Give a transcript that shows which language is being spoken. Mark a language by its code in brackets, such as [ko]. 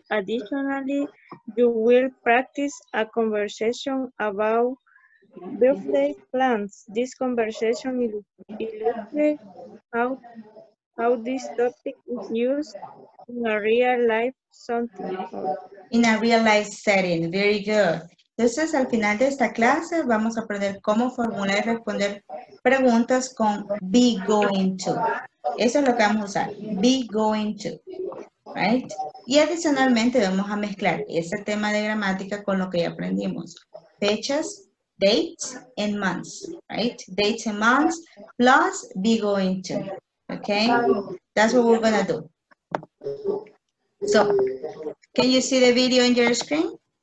[en] Additionally, you will practice a conversation about birthday plans. This conversation illustrates how this topic is used in a real life setting. In a real life setting, very good. [es] Entonces, al final de esta clase, vamos a aprender cómo formular y responder preguntas con be going to. Eso es lo que vamos a usar, be going to, right? Y adicionalmente vamos a mezclar ese tema de gramática con lo que ya aprendimos. [en] Fechas, dates and months, right? Dates and months plus be going to, okay? That's what we're gonna do. So, can you see the video on your screen?